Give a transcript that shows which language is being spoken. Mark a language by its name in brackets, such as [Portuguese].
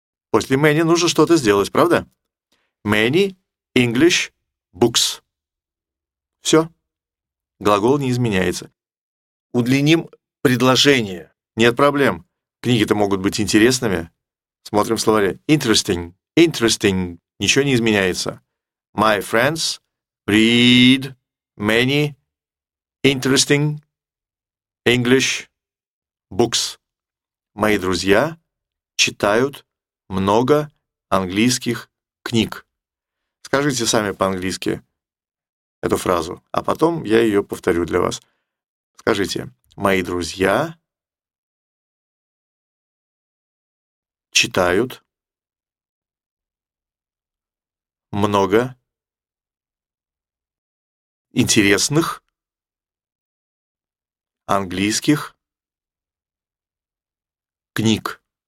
[Russian] После many нужно что-то сделать, правда? [English] Many. English. Books. Все. [Russian] Глагол не изменяется. Удлиним предложение. Нет проблем. Книги-то могут быть интересными. Смотрим в словаре. Interesting. Interesting. Ничего не изменяется. [English] My friends read many interesting English books. [Russian] Мои друзья читают много английских книг. Скажите сами по-английски эту фразу, а потом я ее повторю для вас. Скажите, мои друзья читают много интересных английских книг.